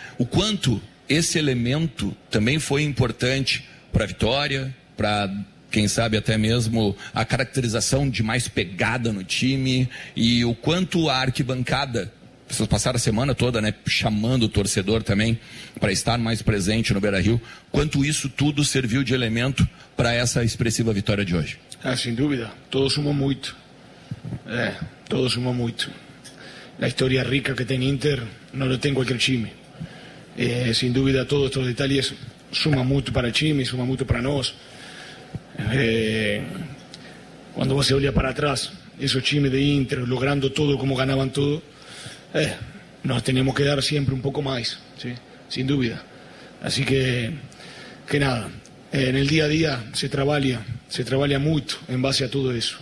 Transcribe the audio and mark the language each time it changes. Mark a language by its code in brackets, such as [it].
[pt] O quanto esse elemento também foi importante para a vitória, para, quem sabe, até mesmo a caracterização de mais pegada no time e o quanto a arquibancada, vocês passaram a semana toda, né, chamando o torcedor também para estar mais presente no Beira-Rio, quanto isso tudo serviu de elemento para essa expressiva vitória de hoje? Ah, sem dúvida, todo suma muito. Todo suma muito. A história rica que tem Inter não lo tem qualquer time. [es] Sin duda todos estos detalles suman mucho para el Chimi, suman mucho para nosotros. [pt] quando você olha para trás, esse time de Inter logrando tudo como ganavam tudo, nós temos que dar sempre um pouco mais, sim? Sem dúvida. Assim que nada, no dia a dia se trabalha muito em base a tudo isso.